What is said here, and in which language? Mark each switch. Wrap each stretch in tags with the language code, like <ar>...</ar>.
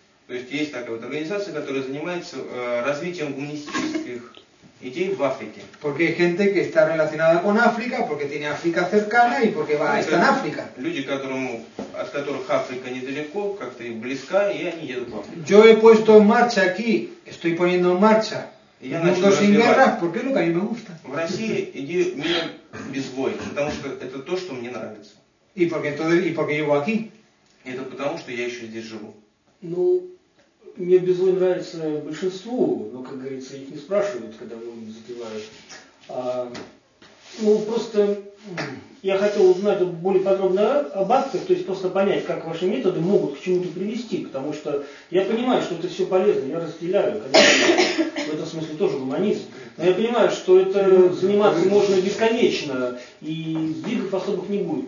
<ru>То есть есть такая вот организация, которая занимается развитием гуманистических идей в Африке.</ru> <es>Porque hay gente que está relacionada con África, porque tiene África cercana y porque va está en África.</es> <ru>Люди, от которых Африка недалеко, как-то и близка, и они едут в Африку.</ru> <es>Yo he puesto en marcha aquí, estoy poniendo en marcha Mundo sin Guerras, porque es lo que a mí me gusta.</es> <ru>В России идею мир без войн, потому что это то, что мне нравится.</ru> <es>Y porque entonces y porque llevo aquí.</es> <ru>Это потому что я еще здесь живу. Ну. Мне без войн нравится большинству, но, как говорится, их не спрашивают, когда войны затевают. Ну, просто я хотел узнать более подробно об акциях, то есть просто понять, как ваши методы могут к чему-то привести, потому что я понимаю, что это все полезно, я разделяю, конечно, в этом смысле тоже гуманизм, но я понимаю, что это заниматься можно бесконечно, и сдвигов особых не будет.</ru>